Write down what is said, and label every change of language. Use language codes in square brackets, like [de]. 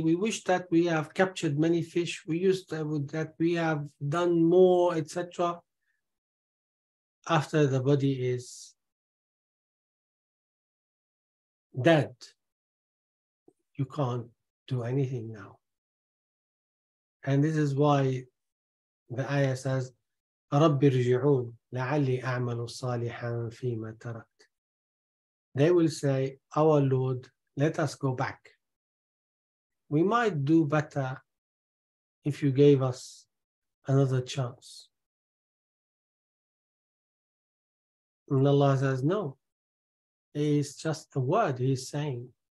[en] We wish that we have captured many fish. We used that we have done more, etc. After the body is dead, you can't do anything now. And this is why the ayah says, [ar] رَبِّ رِجِعُونَ لَعَلِّي أَعْمَلُ صَالِحًا فِي مَا تَرَكْ. [en] They will say, our Lord, let us go back. We might do better if you gave us another chance. And Allah says, no. It's just the word he's saying.